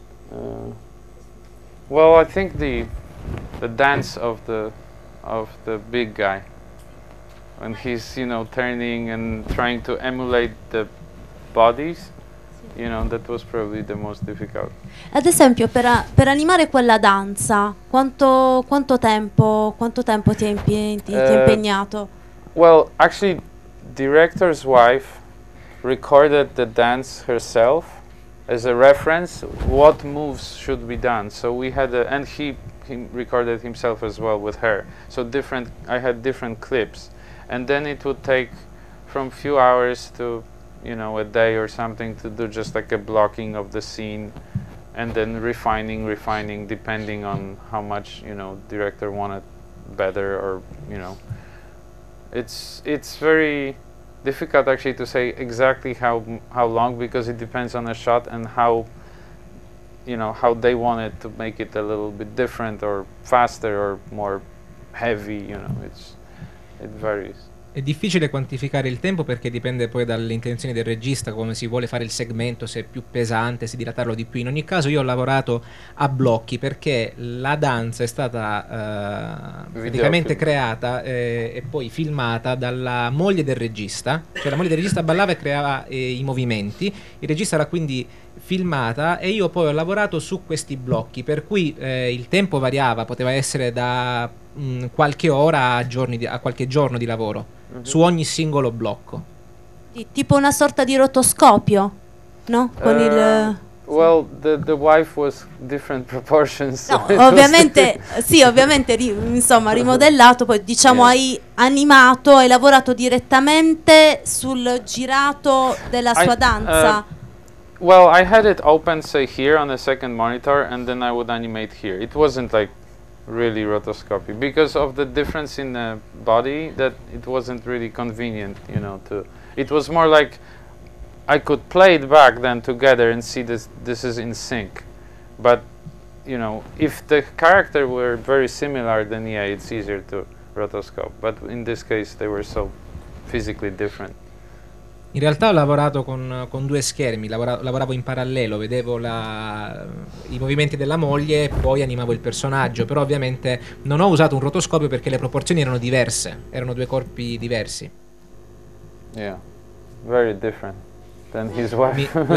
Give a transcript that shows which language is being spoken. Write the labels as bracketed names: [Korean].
[English] Well, I think the dance of the big guy. when he's, you know, turning and trying to emulate the bodies, you know, that was probably the most difficult. [Italian] Ad esempio, per animare quella danza, quanto tempo ti è impegnato? [English] Well, actually, director's wife recorded the dance herself as a reference, what moves should be done. So we had he recorded himself as well with her. So I had different clips. And then it would take from few hours to, you know, a day or something to do just like a blocking of the scene and then refining, depending on how much, you know, director wanted better or, you know. It's very difficult actually to say exactly how long, because it depends on the shot and how, you know, how they wanted to make it a little bit different or faster or more heavy, you know, it varies. [Italian] È difficile quantificare il tempo perché dipende poi dalle intenzioni del regista, come si vuole fare il segmento, se è più pesante, se dilatarlo di più. In ogni caso io ho lavorato a blocchi perché la danza è stata praticamente creata e poi filmata dalla moglie del regista, cioè la moglie del regista ballava e creava i movimenti, il regista era quindi filmata e io poi ho lavorato su questi blocchi, per cui il tempo variava, poteva essere da qualche ora a qualche giorno di lavoro. Mm-hmm. Su ogni singolo blocco. Tipo una sorta di rotoscopio, no? Con il [English] Well, the wife was different proportions. [Italian] No, ovviamente, sì, ovviamente, insomma, rimodellato, poi diciamo yeah. Hai animato, hai lavorato direttamente sul girato della sua danza. [English] Well, I had it open, say, here on the second monitor, and then I would animate here. It wasn't like really rotoscopy, because of the difference in the body, that it wasn't really convenient, you know, to... It was more like I could play it back then together and see this is in sync. But, you know, if the character were very similar, then yeah, it's easier to rotoscope. But in this case, they were so physically different. [Italian] In realtà ho lavorato con due schermi, lavoravo in parallelo, vedevo i movimenti della moglie e poi animavo il personaggio, però ovviamente non ho usato un rotoscopio perché le proporzioni erano diverse, erano due corpi diversi. [English] Yeah, very different than his wife.